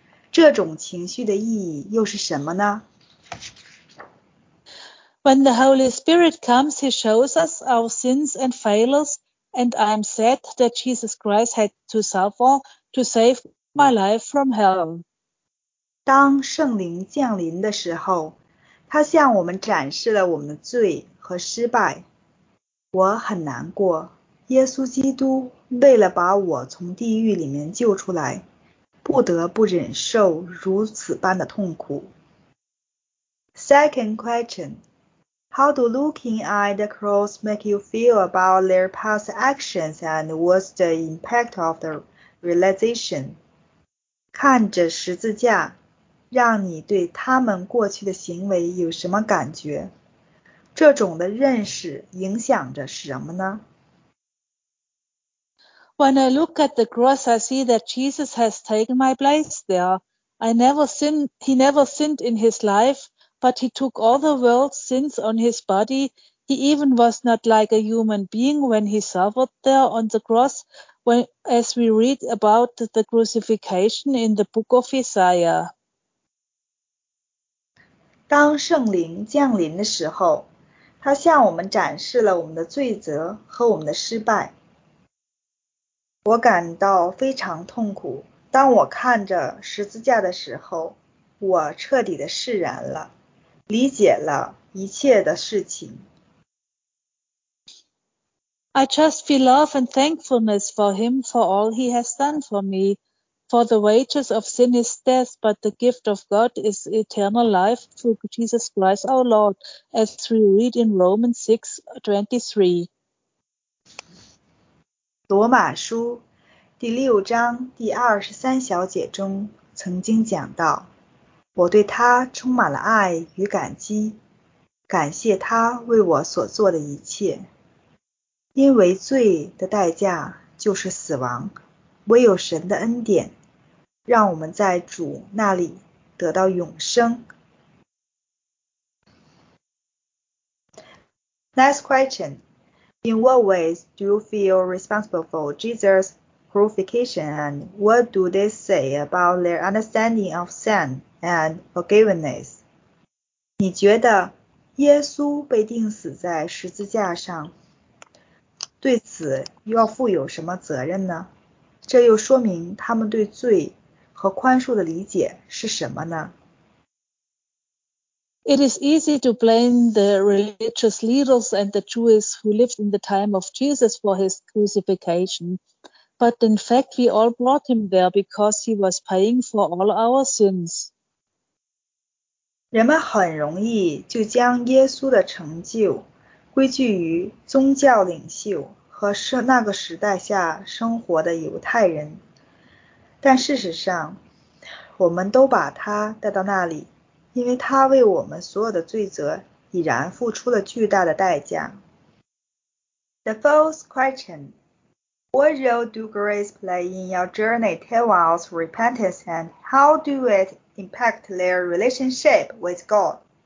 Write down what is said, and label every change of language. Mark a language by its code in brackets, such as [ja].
[zh] 这种情绪的意义又是什么呢？ [en] When the Holy Spirit comes, he shows us our sins and failures, and I am sad that Jesus Christ had to suffer to save my life from hell. [zh] 当圣灵降临的时候，他向我们展示了我们的罪和失败。我很难过，耶稣基督为了把我从地狱里面救出来，不得不忍受如此般的痛苦。 [en] Second question. How do looking at the cross make you feel about their past actions, and what's the impact of the realization? [zh] 看着十字架，让你对他们过去的行为有什么感觉？这种的认识影响着什么呢？ [en] When I look at the cross, I see that Jesus has taken my place there. He never sinned in his life. But he took all the world's sins on his body. He even was not like a human being when he suffered there on the cross, as we read about the crucifixion in the book of Isaiah. [zh] 当圣灵降临的时候，他向我们展示了我们的罪责和我们的失败。我感到非常痛苦。当我看着十字架的时候，我彻底的释然了。理解了一切的事情。 [en] I just feel love and thankfulness for him for all he has done for me. For the wages of sin is death, but the gift of God is eternal life through Jesus Christ our Lord, as we read in Romans 6:23. [zh] 罗马书第六章第二十三小节中曾经讲到，我对他充满了爱与感激，感谢他为我所做的一切。因为罪的代价就是死亡，唯有神的恩典，让我们在主那里得到永生。 [en] Next question. In what ways do you feel responsible for Jesus' crucifixion, and what do they say about their understanding of sin? And forgiveness. [zh] 你觉得耶稣被钉死在十字架上，对此要负有什么责任呢？这又说明他们对罪和宽恕的理解是什么呢？ [en] It is easy to blame the religious leaders and the Jews who lived in the time of Jesus for his crucifixion. But in fact, we all brought him there because he was paying for all our sins. [zh] 人们很容易就将耶稣的成就归咎于宗教领袖和那个时代下生活的犹太人，但事实上，我们都把他带到那里，因为他为我们所有的罪责已然付出了巨大的代价。 [en] The fourth question. What role do grace play in your journey towards repentance and how do it impact their relationship with God?